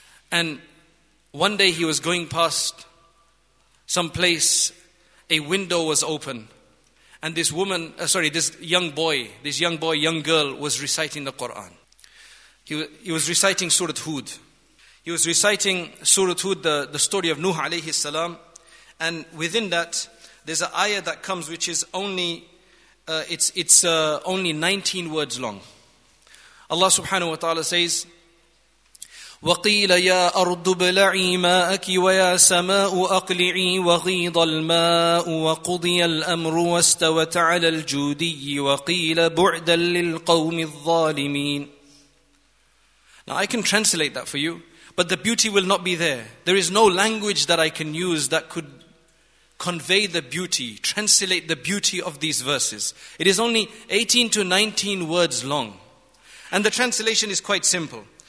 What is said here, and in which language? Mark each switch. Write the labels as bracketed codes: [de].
[en] And one day he was going past some place, a window was open, and this young girl was reciting the Quran. He was reciting Surat Hud. He was reciting Surat Hud, the story of Nuh alayhi salam. And within that, there's an ayah that comes which is only only 19 words long. Allah subhanahu wa ta'ala says, [ar] وَقِيلَ يَا أَرْضُ بْلَعِي مَاءَكِ وَيَا سَمَاءُ أَقْلِعِي وَغِيضَ الْمَاءُ وَقُضِيَ الْأَمْرُ وَاسْتَوَتْ عَلَى الْجُودِيِّ وَقِيلَ بُعْدًا لِلْقَوْمِ الظَّالِمِينَ. [en] Now I can translate that for you, but the beauty will not be there. There is no language that I can use that could convey the beauty, translate the beauty of these verses. It is only 18 to 19 words long. And the translation is quite simple.